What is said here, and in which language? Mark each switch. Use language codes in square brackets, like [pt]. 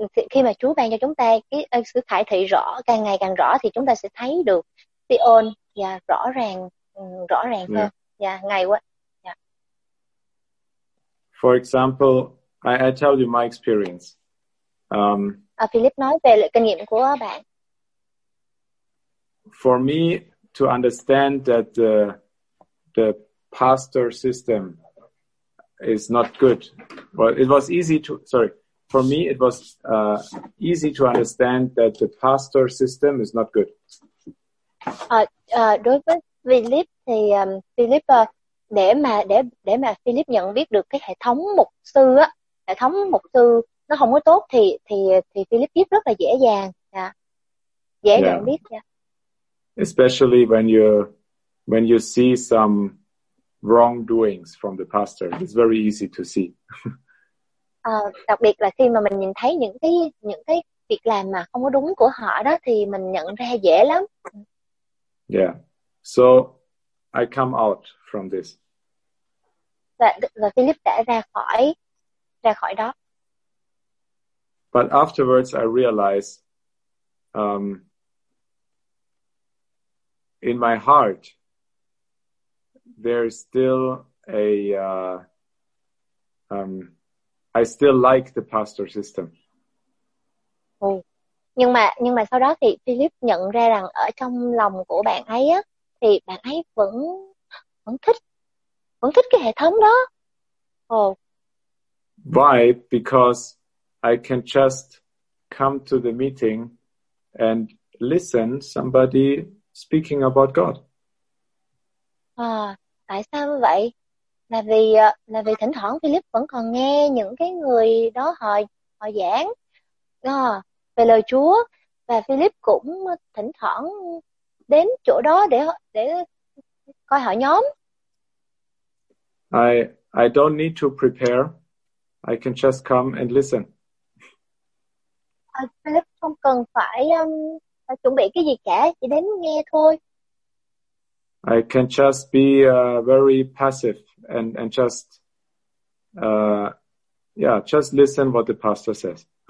[vi] Khi mà Chúa ban cho chúng ta cái sự khải thị rõ, càng ngày càng rõ, thì chúng ta sẽ thấy được Sion rõ ràng hơn. Ngày quá. [en] For example, I tell you my experience. [vi] Philip nói về kinh nghiệm của bạn. [en] For me to understand that the pastor system is not good. Well, it was easy to, for me, it was easy to understand that the pastor system is not good. [vi] Đối với Philip thì Philip để mà Philip nhận biết được cái hệ thống mục sư á, hệ thống mục sư nó không có tốt thì Philip biết rất là dễ dàng, dễ nhận biết. [en] Especially when you see some wrongdoings from the pastor, it's very easy to see. [vi] Đặc biệt là khi mà mình nhìn thấy những cái việc làm mà không có đúng của họ đó thì mình nhận ra dễ lắm. [en] Yeah. So I come out from this. [vi] Và Philip đã ra khỏi đó. [en] But afterwards I realized in my heart there is still a I still like the pastor system. [vi] Nhưng mà sau đó thì Philip nhận ra rằng ở trong lòng của bạn ấy á, thì bạn ấy vẫn thích cái hệ thống đó. [en] Why? Because I can just come to the meeting and listen somebody speaking about God. [vi] Tại sao vậy? Là vì thỉnh thoảng Philip vẫn còn nghe những cái người đó họ giảng về lời Chúa, và Philip cũng thỉnh thoảng đến chỗ đó để coi họ nhóm. [en] I don't need to prepare. I can just come and listen. [vi] Philip không cần phải chuẩn bị cái gì cả, chỉ đến nghe thôi. [en] I can just be very passive and just just listen what the pastor says.